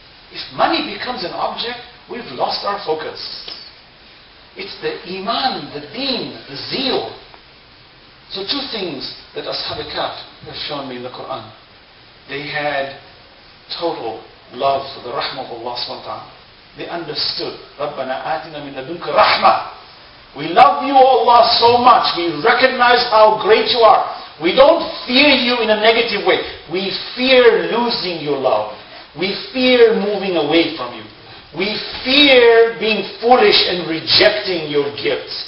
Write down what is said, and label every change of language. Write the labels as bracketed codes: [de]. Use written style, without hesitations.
[en] If money becomes an object, we've lost our focus. It's the iman, the deen, the zeal. So two things that Ashab al-Kahf have shown me in the Quran. They had total love for the rahmah of Allah subhanahu wa ta'ala. They understood, [ar] رَبَّنَا آتِنَا مِنْ لَدُنْكَ رَحْمَةً. [en] We love you, Allah, so much. We recognize how great you are. We don't fear you in a negative way. We fear losing your love. We fear moving away from you. We fear being foolish and rejecting your gifts.